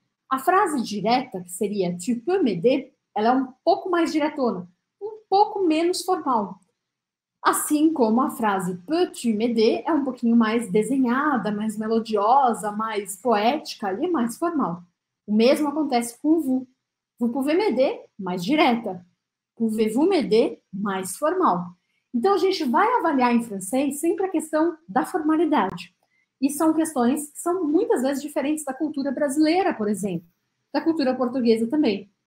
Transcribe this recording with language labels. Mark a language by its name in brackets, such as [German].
[Portuguese] A frase direta, que seria [French] tu peux m'aider, [Portuguese] ela é um pouco mais diretona, um pouco menos formal. Assim como a frase [French] Peux-tu m'aider [Portuguese] é um pouquinho mais desenhada, mais melodiosa, mais poética e mais formal. O mesmo acontece com vous. [French] Vous pouvez m'aider, [Portuguese] mais direta. [French] Pouvez-vous m'aider, [Portuguese] mais formal. Então, a gente vai avaliar em francês sempre a questão da formalidade. E são questões que são muitas vezes diferentes da cultura brasileira, por exemplo, da cultura portuguesa também.